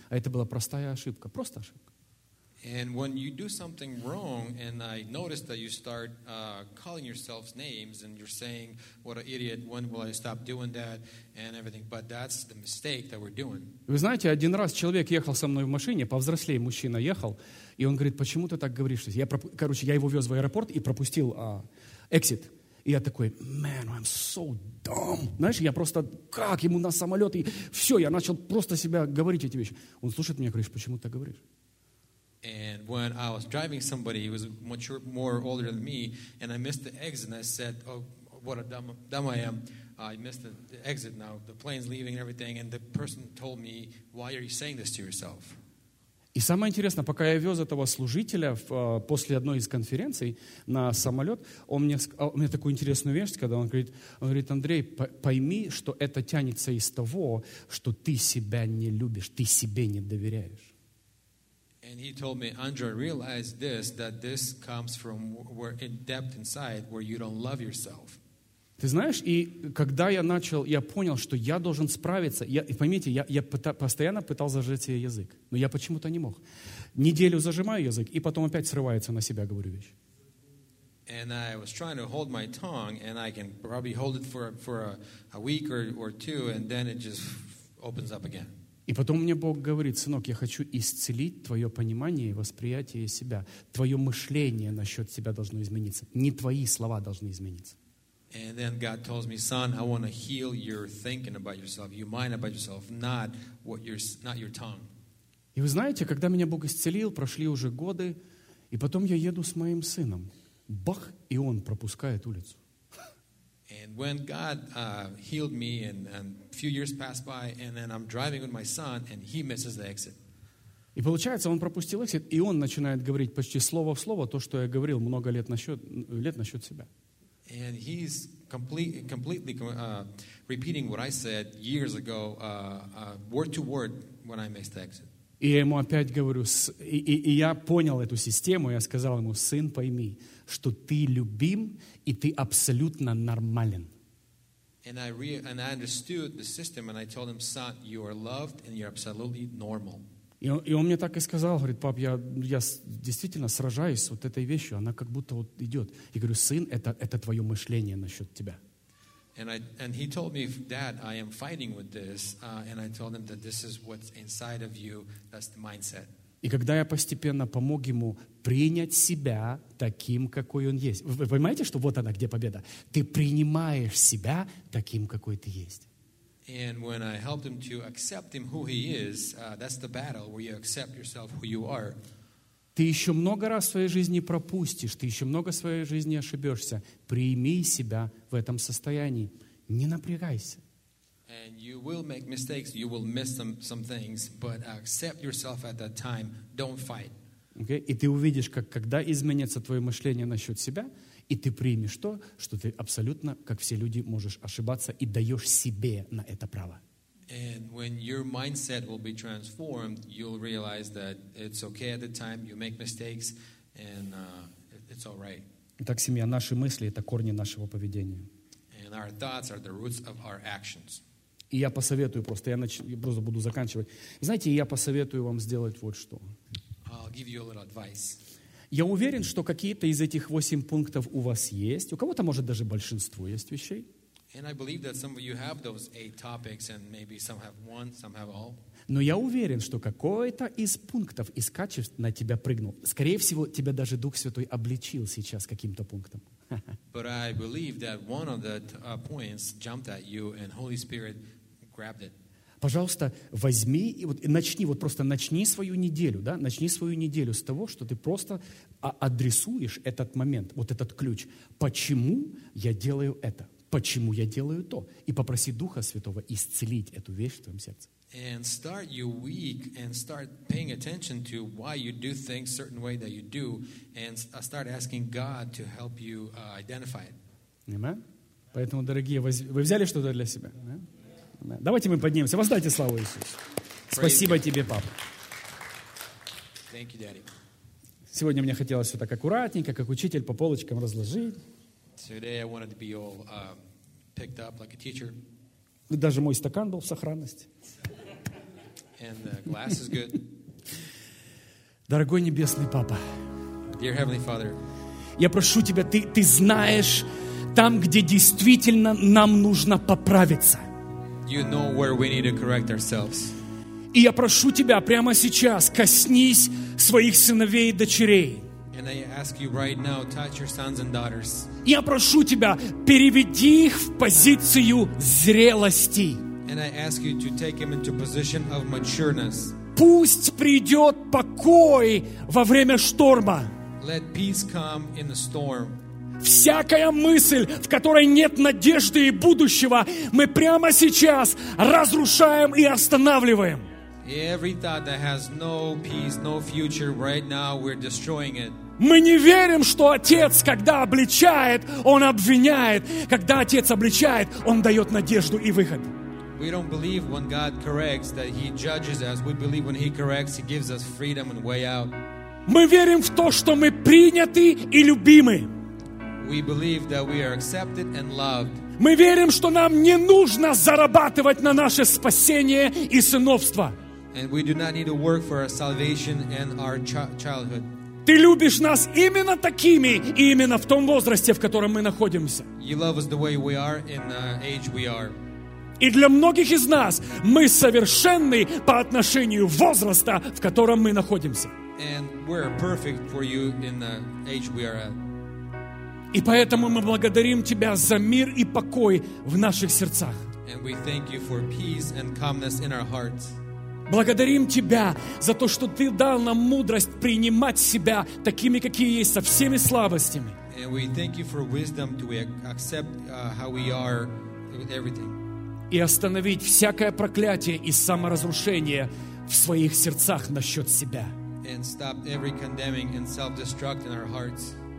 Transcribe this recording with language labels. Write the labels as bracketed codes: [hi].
[ru] А это была простая ошибка, просто ошибка. [en] And when you do something wrong, and I notice that you start calling yourself names, and you're saying, what an idiot, when will I stop doing that, and everything. But that's the mistake that we're doing. [ru] Вы знаете, один раз человек ехал со мной в машине, повзрослее мужчина ехал, и он говорит, почему ты так говоришь? Я его вез в аэропорт и пропустил exit. И я такой, [en] man, I'm so dumb. [ru] Знаешь, я просто, как ему на самолет? И все, я начал просто себя говорить эти вещи. Он слушает меня, говорит, почему ты так говоришь? [en] And when I was driving somebody, he was much more older than me, and I missed the exit, and I said, oh, what a dumb I am. I missed the exit now. The plane's leaving and everything, and the person told me, why are you saying this to yourself? [ru] И самое интересное, пока я вез этого служителя после одной из конференций на самолет, он мне такую интересную вещь сказал. Он говорит, Андрей, пойми, что это тянется из того, что ты себя не любишь, ты себе не доверяешь. [en] And he told me, Andrew, realize this, that this comes from where in depth inside, where you don't love yourself. [ru] Ты знаешь, и когда я начал, я понял, что я должен справиться. Я постоянно пытался зажать себе язык, но я почему-то не мог. Неделю зажимаю язык, и потом опять срывается на себя, говорю вещь. [en] And I was trying to hold my tongue, and I can probably hold it for a week or two, and then it just opens up again. [ru] И потом мне Бог говорит, сынок, я хочу исцелить твое понимание и восприятие себя. Твое мышление насчет себя должно измениться. Не твои слова должны измениться. [en] And then God tells me, son, I want to heal your thinking about yourself, your mind about yourself, not your tongue. [ru] И вы знаете, когда меня Бог исцелил, прошли уже годы, и потом я еду с моим сыном. Бах, и он пропускает улицу. [en] And when God healed me and a few years passed by, and then I'm driving with my son, and he misses the exit. [ru] И получается, он пропустил exit, и он начинает говорить почти слово в слово то, что я говорил много лет насчет себя. [en] And he's completely repeating what I said years ago, word to word, when I missed the exit. [ru] И я ему опять говорю, и я понял эту систему, я сказал ему, сын, пойми, что ты любим, и ты абсолютно нормален. [en] And I understood the system, and I told him, son, you are loved, and you're absolutely normal. [ru] И он мне так и сказал, говорит, пап, я действительно сражаюсь вот этой вещью, она как будто вот идет. И говорю, сын, это твое мышление насчет тебя. [en] And he told me, Dad, I am fighting with this, and I told him that this is what's inside of you, that's the mindset. [ru] И когда я постепенно помог ему принять себя таким, какой он есть. Вы понимаете, что вот она, где победа? Ты принимаешь себя таким, какой ты есть. [en] And when I helped him to accept him who he is, that's the battle where you accept yourself who you are. [ru] Ты еще много раз в своей жизни пропустишь, ты еще много в своей жизни ошибешься. Прими себя в этом состоянии. Не напрягайся. [en] And you will make mistakes, you will miss some things, but accept yourself at that time, don't fight. Okay? [ru] И ты увидишь, как когда изменится твое мышление насчет себя, и ты примешь то, что ты абсолютно, как все люди, можешь ошибаться и даешь себе на это право. [en] And when your mindset will be transformed, you'll realize that it's okay at the time, you make mistakes, and it's all right. [ru] Итак, семья, наши мысли — это корни нашего поведения. [en] And our thoughts are the roots of our actions. [ru] И я посоветую просто, я просто буду заканчивать. Знаете, я посоветую вам сделать вот что. [en] I'll give you a little advice. [ru] Я уверен, что какие-то из этих 8 пунктов у вас есть. У кого-то, может, даже большинство есть вещей. [en] And I believe that some of you have those 8 topics, and maybe some have one, some have all. [ru] Но я уверен, что какой-то из пунктов, из качеств на тебя прыгнул. Скорее всего, тебя даже Дух Святой обличил сейчас каким-то пунктом. [en] But I believe that one of the points jumped at you, and Holy Spirit grabbed it. [ru] Пожалуйста, возьми и вот начни, вот просто начни свою неделю, да, начни свою неделю с того, что ты просто адресуешь этот момент, вот этот ключ. Почему я делаю это? Почему я делаю то? И попроси Духа Святого исцелить эту вещь в твоем сердце. [en] And start your week and start paying attention to why you do things certain way that you do and start asking God to help you identify it. Amen. [ru] Поэтому, дорогие, вы взяли что-то для себя? Amen. Давайте мы поднимемся. Воздайте славу Иисусу. Спасибо тебе, папа. [en] Thank you, Daddy. [ru] Сегодня мне хотелось все так аккуратненько, как учитель, по полочкам разложить. [en] Today I wanted to be all picked up like a teacher. [ru] Даже мой стакан был в сохранности. [en] And the glass is good. [ru] Дорогой Небесный Папа, [en] Dear Heavenly Father, [ru] я прошу Тебя, ты знаешь, там, где действительно нам нужно поправиться. [en] You know where we need to correct ourselves. [ru] И я прошу Тебя прямо сейчас, коснись своих сыновей и дочерей. [en] And I ask you right now, touch your sons and daughters. [ru] Я прошу Тебя, переведи их в позицию зрелости. [en] And I ask you to take him into position of matureness. [ru] Пусть придет покой во время шторма. [en] Let peace come in the storm. [ru] Всякая мысль, в которой нет надежды и будущего, мы прямо сейчас разрушаем и останавливаем. [en] Every thought that has no peace, no future, right now we're destroying it. [ru] Мы не верим, что Отец, когда обличает, Он обвиняет. Когда Отец обличает, Он дает надежду и выход. [en] We don't believe when God corrects that He judges us. We believe when He corrects, He gives us freedom and way out. [ru] Мы верим в то, что мы приняты и любимы. [en] We believe that we are accepted and loved. [ru] Мы верим, что нам не нужно зарабатывать на наше спасение и сыновство. [en] And we do not need to work for our salvation and our childhood. [ru] Ты любишь нас именно такими и именно в том возрасте, в котором мы находимся. [en] You love us the way we are in the age we are. [ru] И для многих из нас мы совершенны по отношению возраста, в котором мы находимся. [en] And we're perfect for you in the age we are at. [ru] И поэтому мы благодарим Тебя за мир и покой в наших сердцах. [en] And we thank you for peace and calmness in our hearts. [ru] Благодарим Тебя за то, что Ты дал нам мудрость принимать себя такими, какие есть, со всеми слабостями. [en] And we thank you for wisdom to accept how we are with everything. [ru] И остановить всякое проклятие и саморазрушение в своих сердцах насчет себя. [en] And stop every condemning and self-destruct in our hearts.